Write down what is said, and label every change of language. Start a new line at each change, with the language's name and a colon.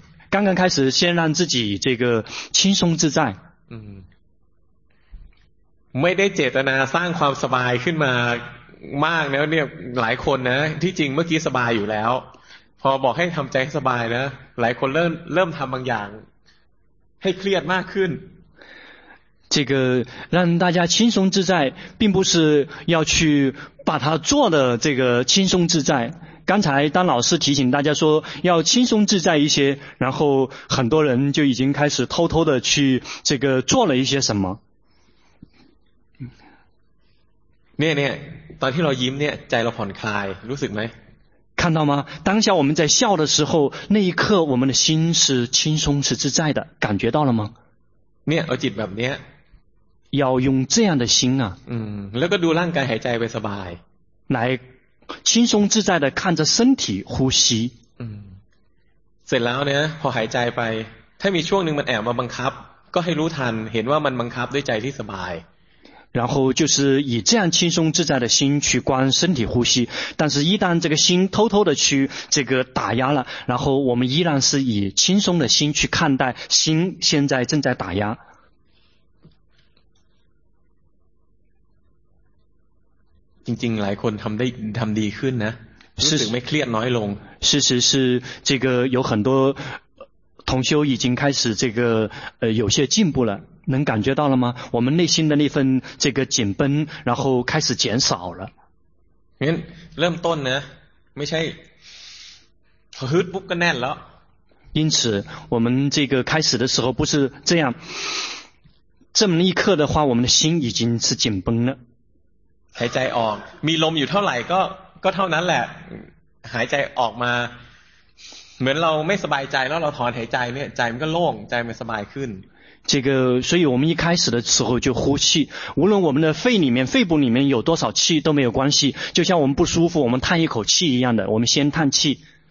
Chinese: 刚刚开始先让自己这个轻松自在
Thai: ไม่ได้เจตนาสร้างความสบายขึ้นมามากแล้วเนี่ยหลายคนนะที่จริงเมื่อกี้สบายอยู่แล้วพอบอกให้ทำใจให้สบายนะหลายคนเริ่มทำบางอย่างให้เครียดมากขึ้น
Chinese: 这个让大家轻松自在并不是要去把它做的这个轻松自在刚才当老师提醒大家说要轻松自在一些然后很多人就已经开始偷偷的去这个做了一些什么
Thai: เนี่ย ตอนที่เรายิ้มเนี่ยใจเราผ่อนคลายรู้สึกไหม
Chinese: 看到吗当下我们在笑的时候那一刻我们的心是轻松是自在的感觉到了吗
Thai: เนี่ยเอาจิตแบบเนี้ย
Chinese: 要用这样的心啊
Thai: แล้วก็ดูร่างกายหายใจไปสบาย
Chinese: 来轻松自在的看着身体呼吸
Thai: เสร็จแล้วเนี่ยพอหายใจไปถ้ามีช่วงหนึ่งมันแอบมาบังคับก็ให้รู้ทันเห็นว่ามันบังคับด้วยใจที่สบาย
Chinese: 然后就是以这样轻松自在的心去观身体呼吸但是一旦这个心偷偷的去这个打压了然后我们依然是以轻松的心去看待心现在正在打压
Thai: จริงๆหลายคนทำดีขึ้นนะรู้สึกไม่เครียดน้อยลง
Chinese: 事实是这个有很多同修已经开始这个有些进步了能感觉到了吗我们内心的那份这个紧绷然后开始减少了
Thai: เริ่มต้นนะไม่ใช่ฮึดปุ๊บก็แน่นแล้ว
Chinese: 因此我们这个开始的时候不是这样这么一刻的话我们的心已经是紧绷了
Thai: หายใจออกมีลมอยู่เท่าไหร่ก็เท่านั้นแหละหายใจออกมาเหมือนเราไม่สบายใจแล้วเราถอนหายใจเนี่ยใจมันก็โล่งใจมันสบายขึ้น
Chinese: 这个所以我们一开始的时候就呼气无论我们的肺部里面有多少气都没有关系就像我们不舒服我们叹一口气一样的我们先叹气